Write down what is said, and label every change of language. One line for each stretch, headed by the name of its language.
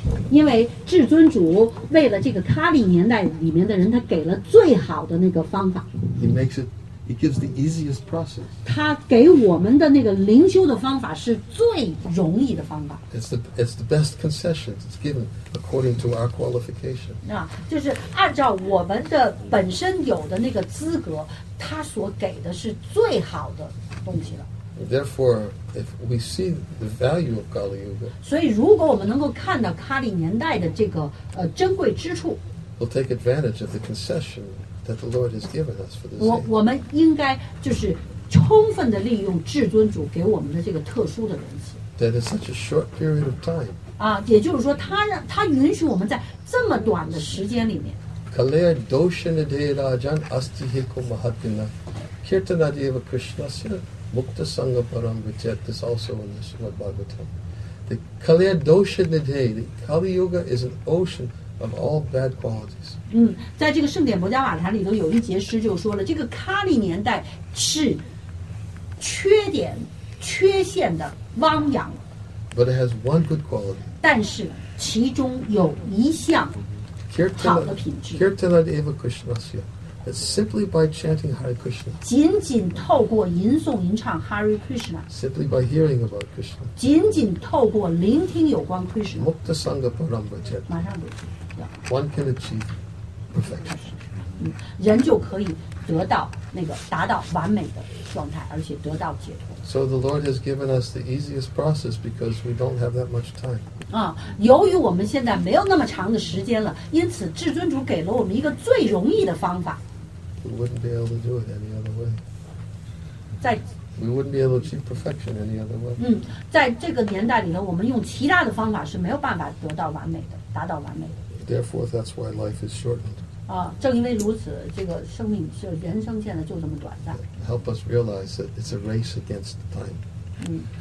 Chinese: 因为至尊主为了这个卡利年代里面的人，他给了最好的那个方法。
English: He makes it, he gives the easiest process.
Chinese: 他给我们的那个灵修的方法是最容易的方法。
English: It's the best concession. It's given according to our qualification.
Chinese: 就是按照我们的本身有的那个资格，他所给的是最好的东西了。
English: Therefore, if we see the value of Kali Yuga,
Chinese: 所以如果我们能够看到卡里年代的这个珍贵之处，
English: we'll take advantage of the concession that the Lord has given us for this.
Chinese: 我们应该就是充分的利用至尊主给我们的这个特殊的恩赐。
English: That is such a short period of time.
Chinese: 也就是说，他允许我们在这么短的时间里面。
Sanskrit: Kalaya dosha nidhira jan asti hiko mahatina kirtana deva krishna sir. Mukta Sangha Param Vichet,
English: this also in the Srimad Bhagavatam. The
Sanskrit: Kaliya Dosha Nidhei,
English: the Kali Yuga is an ocean of all bad qualities.
Chinese: 在这个圣典博迦瓦坛里头有一节诗就说了，这个卡利年代是缺点、缺陷的汪洋。
English: But it has one good quality.
Chinese: 但是其中有一项好的品质。
Sanskrit: Kirtana Deva Krishnasya.
English: That simply by chanting Hare Krishna,
Chinese: 仅仅透过吟诵吟唱 Hare Krishna,
English: simply by hearing about Krishna,
Chinese: 仅仅透过聆听有关 Krishna,
Sanskrit: Mukta Sangha Parambhajat,
Chinese: 马上就去
English: one can achieve perfection.
Chinese: 人就可以得到那个达到完美的状态，而且得到解脱。
English: So the Lord has given us the easiest process because we don't have that much time.
Chinese: 由于我们现在没有那么长的时间了，因此至尊主给了我们一个最容易的方法。
English: We wouldn't be able to do it any other way.
Chinese: 在
English: We wouldn't be able to achieve perfection any other way.
Chinese: 在这个年代里呢，我们用其他的方法是没有办法得到完美的，达到完美的。
English: Therefore, that's why life is shortened.
Chinese: 正因为如此，这个生命是人生现在就这么短暂。
English: Help us realize that it's a race against the time.